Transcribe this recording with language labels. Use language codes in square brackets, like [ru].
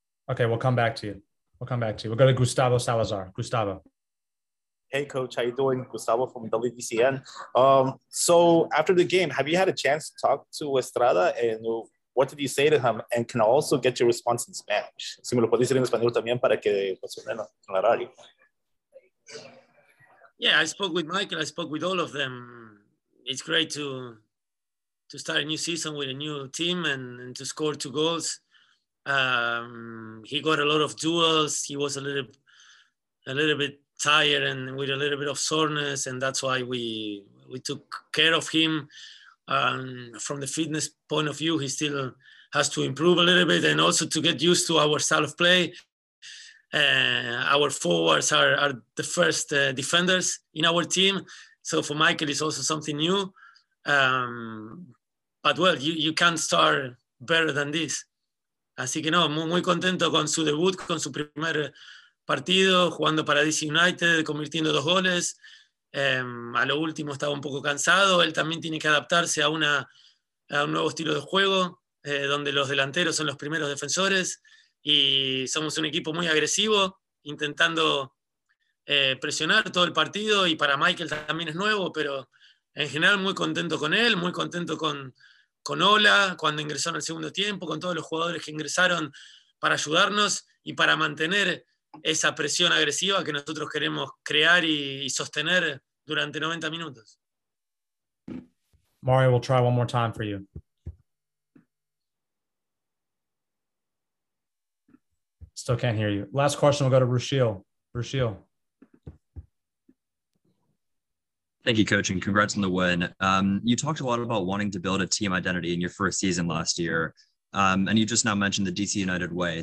[en] Okay, we'll come back to you. We'll come back to you. We'll go to Gustavo Salazar. Gustavo. Hey, Coach. How you doing? Gustavo from WDCN. So after the game, have you had a chance to talk to Estrada? And what did you say to him? And can I also get your response in Spanish? [es] Si me lo puedes decir en español también para que funcione con la radio. [en] Yeah, I spoke with Michael. I spoke with all of them. It's great to start a new season with a new team and to score two goals. He got a lot of duels. He was a little bit tired and with a little bit of soreness, and that's why we took care of him. From the fitness point of view, he still has to improve a little bit, and also to get used to our style of play. Our forwards are the first defenders in our team. So for Michael, it's also something new. But well, you can't start better than this. [es] Así que no, muy contento con su debut, con su primer partido, jugando para DC United, convirtiendo dos goles. A lo último estaba un poco cansado. Él también tiene que adaptarse a un nuevo estilo de juego, donde los delanteros son los primeros defensores. Y somos un equipo muy agresivo, intentando presionar todo el partido. Y para Michael también es nuevo, pero en general muy contento con él, muy contento con Ola, cuando ingresó en el segundo tiempo, con todos los jugadores que ingresaron para ayudarnos y para mantener esa presión agresiva que nosotros queremos crear y sostener durante 90 minutos. [en] Mario, we'll try one more time for you. Still can't hear you. Last question, we'll go to Rushil. Rushil. Thank you, Coach, and congrats on the win. You talked a lot about wanting to build a team identity in your first season last year, and you just now mentioned the DC United way.